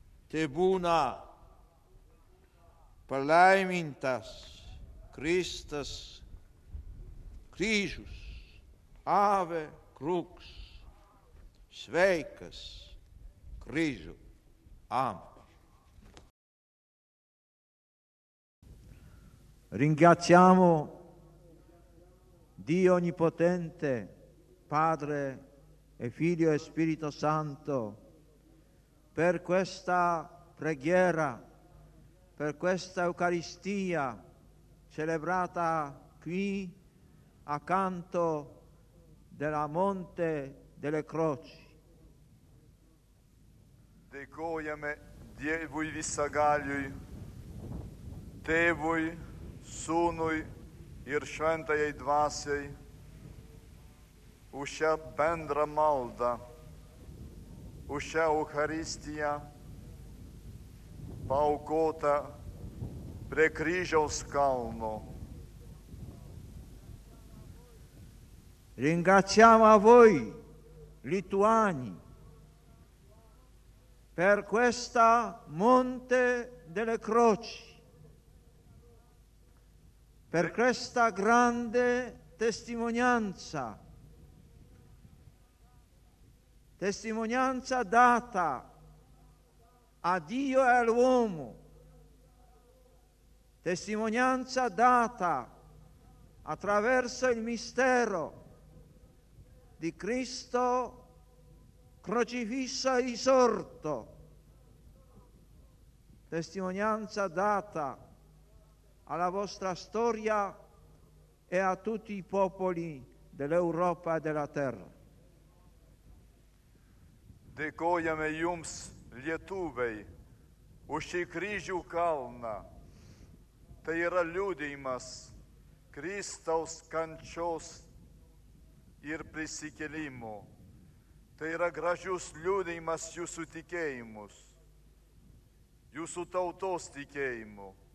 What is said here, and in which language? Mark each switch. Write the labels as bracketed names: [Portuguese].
[Lithuanian] Tebūna palaimintas Kristus kryžius, Ave Crux, sveikas kryžių, Amen. [Italian] Ringraziamo Dio Onnipotente, Padre e Figlio e Spirito Santo, per questa preghiera, per questa Eucaristia celebrata qui accanto della Monte delle Croci. [Lithuanian] Dėkojame Dievui Visagaliui, Tėvui, Sūnui ir šventajai dvasiai už šią bendrą maldą, už šią Eucharistiją paukotą prie kryžiaus kalno. [Italian] Ringraziamo a voi, lituani, per questa monte delle croci, per questa grande testimonianza, testimonianza data a Dio e all'uomo, testimonianza data attraverso il mistero di Cristo crocifisso e risorto, testimonianza data alla vostra storia e a tutti i popoli dell'Europa e della terra. [Lithuanian] Dėkojame jums, lietuviai, už šį kryžių kalną. Tai yra liudijimas Kristaus kančios ir prisikėlimo. Tai yra gražus liudijimas jūsų tikėjimus, jūsų tautos tikėjimu.